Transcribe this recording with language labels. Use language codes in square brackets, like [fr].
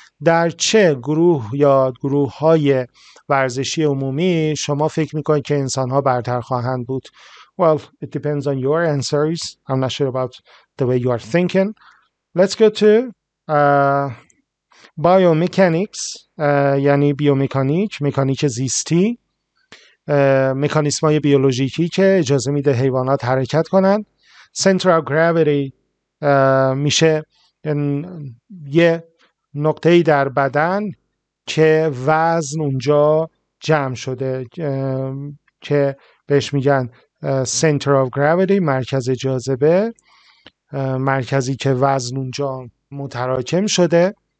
[fa] در چه گروه یا گروه‌های ورزشی عمومی شما فکر می‌کنید که انسان‌ها برتر خواهند بود؟ [en] Well, it depends on your answers. I'm not sure about the way you are thinking. Let's go to [fa] بایومکانیکس یعنی بیومکانیک، مکانیک زیستی، مکانیسم‌های بیولوژیکی که اجازه میده حیوانات حرکت کنن. سنترال گراویتی میشه یه نقطه‌ای در بدن که وزن اونجا جمع شده که بهش میگن سنتر آف گراویتی، مرکز جاذبه، مرکزی که وزن اونجا متراکم شده.